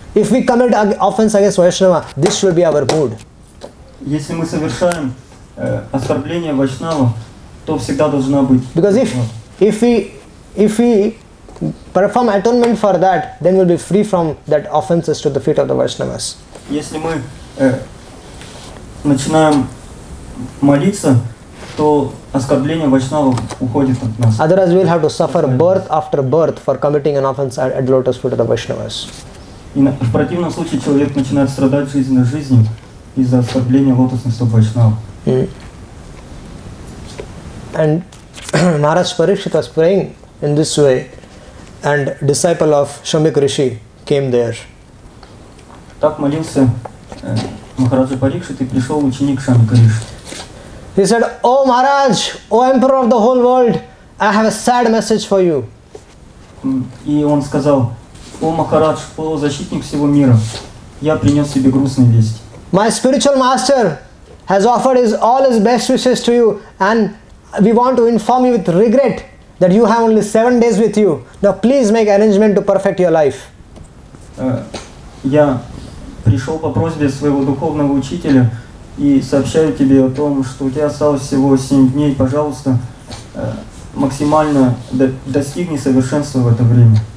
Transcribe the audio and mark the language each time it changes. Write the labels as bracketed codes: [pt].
[en] If we commit offense against Vaishnava, this should be our mood. [ru] Если мы совершаем оскорбление Вайшнава, то всегда должна быть. [en] Because if we perform atonement for that, then we'll be free from that offenses to the feet of the Vaishnavas. [ru] Если мы начинаем молиться, то оскорбление Вайшнава уходит от нас. [en] Otherwise, we'll have to suffer birth after birth for committing an offense at the lotus feet of the Vaishnavas. [ru] В противном случае человек начинает страдать жизнь на жизнь из-за оскорбления лотосных стоп Вайшнава. [en] And Maharaj Parikshit was praying in this way, and disciple of Shamik Rishi came there. [ru] Так молился Махараджа Парикшит и пришел ученик Шамика Риши. [en] He said, "O Maharaj, O Emperor of the whole world, I have a sad message for you." [ru] И он сказал, "O Maharaj, O защитник всего мира, я принес тебе грустную весть." [en] My spiritual master has offered all his best wishes to you, and we want to inform you with regret that you have only 7 days with you. Now please make arrangement to perfect your life. [ru] Я пришел по просьбе своего духовного учителя и сообщаю тебе о том, что у тебя осталось всего 7 дней. Пожалуйста, максимально достигни совершенства в это время.